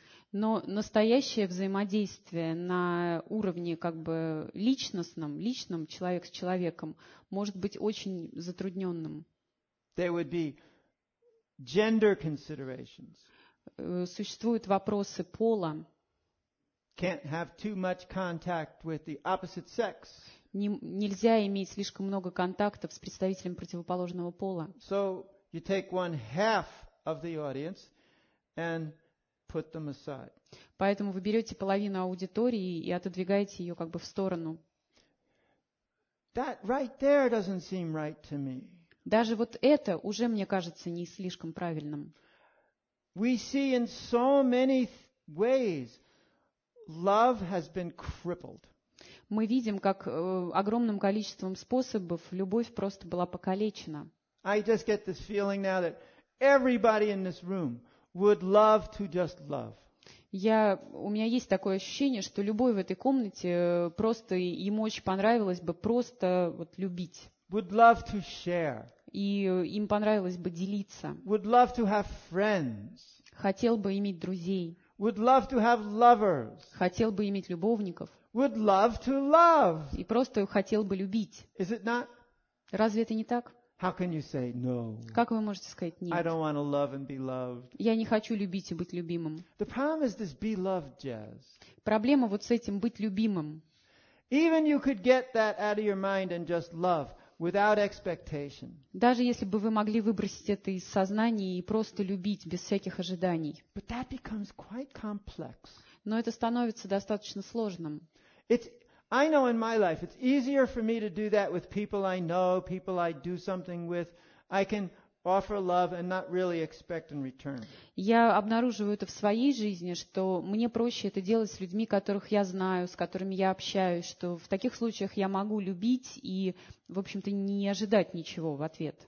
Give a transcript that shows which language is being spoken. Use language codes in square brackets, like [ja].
[ru] Но настоящее взаимодействие на уровне как бы личностном, личном человек с человеком, может быть очень затрудненным. [en] There would be gender considerations. [ru] Существуют вопросы пола. [en] Can't have too much contact with the opposite sex. [ru] Нельзя иметь слишком много контактов с представителем противоположного пола. [en] So you take one half of the audience and put them aside. [ru] Поэтому вы берете половину аудитории и отодвигаете ее как бы в сторону. [en] That right there doesn't seem right to me. [ru] Даже вот это уже мне кажется не слишком правильным. [en] We see in so many ways love has been crippled. [ru] Мы видим, как огромным количеством способов любовь просто была покалечена. [en] I just get this feeling now that everybody in this room would love to just love. [ru] У меня есть такое ощущение, что любой в этой комнате просто ему очень понравилось бы просто вот любить. [en] Would love to share. [ru] И им понравилось бы делиться. [en] Would love to have friends. [ru] Хотел бы иметь друзей. [en] Would love to have lovers. [ru] Хотел бы иметь любовников. [en] Would love to love. [ru] И просто хотел бы любить. [en] Is it not? [ru] Разве это не так? [en] How can you say no? [ru] Как вы можете сказать нет? [en] I don't want to love and be loved. [ru] Я не хочу любить и быть любимым. [en] The problem is this be loved jazz. [ru] Проблема вот с этим быть любимым. [en] Even you could get that out of your mind and just love without expectation. [ru] Даже если бы вы могли выбросить это из сознания и просто любить без всяких ожиданий. [en] But that becomes quite complex. [ru] Но это становится достаточно сложным. [en] I know in my life it's easier for me to do that with people I know, people I do something with. I can offer love and not really expect in return. [ru] Я обнаруживаю это в своей жизни, что мне проще это делать с людьми, которых я знаю, с которыми я общаюсь, что в таких случаях я могу любить и, в общем-то, не ожидать ничего в ответ.